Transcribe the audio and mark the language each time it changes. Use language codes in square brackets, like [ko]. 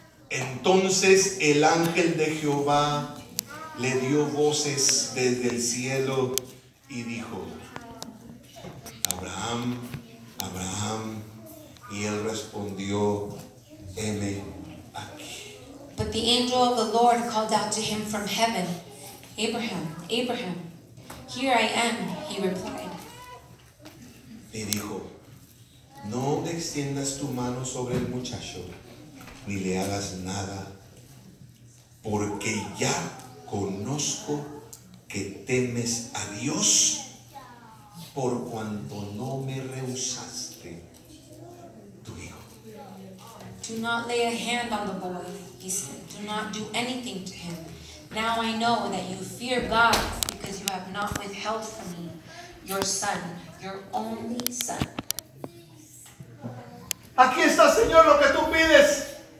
[es] Entonces el ángel de Jehová le dio voces desde el cielo y dijo, Abraham, Abraham, y él respondió, heme aquí. [en] But the angel of the Lord called out to him from heaven, Abraham, Abraham, here I am, he replied. [es] Y dijo, no extiendas tu mano sobre el muchacho. Ni le hagas nada, porque ya conozco que temes a Dios por cuanto no me rehusaste tu hijo. [en] Do not lay a hand on the boy, he said. Do not do anything to him. Now I know that you fear God because you have not withheld from me your son, your only son. [es] Aquí está, Señor, lo que tú pides.